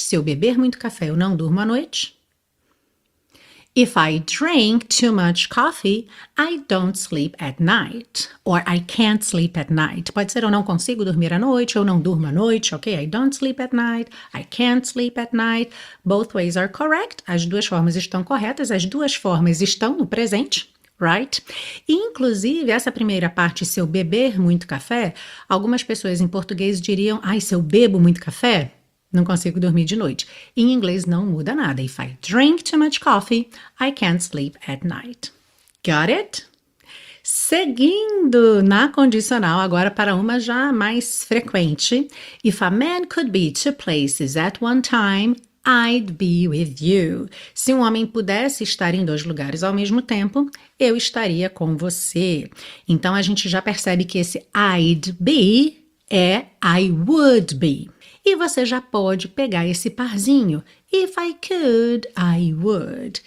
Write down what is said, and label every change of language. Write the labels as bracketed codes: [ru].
[pt] Se eu beber muito café, eu não durmo à noite. [en] If I drink too much coffee, I don't sleep at night. Or I can't sleep at night. [pt] Pode ser eu não consigo dormir à noite, eu não durmo à noite, ok? [en] I don't sleep at night, I can't sleep at night. Both ways are correct. [pt] As duas formas estão corretas, as duas formas estão no presente, right? E, inclusive, essa primeira parte, se eu beber muito café, algumas pessoas em português diriam: ai, se eu bebo muito café, não consigo dormir de noite. Em inglês não muda nada. [en] If I drink too much coffee, I can't sleep at night. Got it? [pt] Seguindo na condicional, agora para uma já mais frequente. [en] If a man could be two places at one time, I'd be with you. [pt] Se um homem pudesse estar em dois lugares ao mesmo tempo, eu estaria com você. Então a gente já percebe que esse I'd be é I would be. E você já pode pegar esse parzinho. [en] If I could, I would.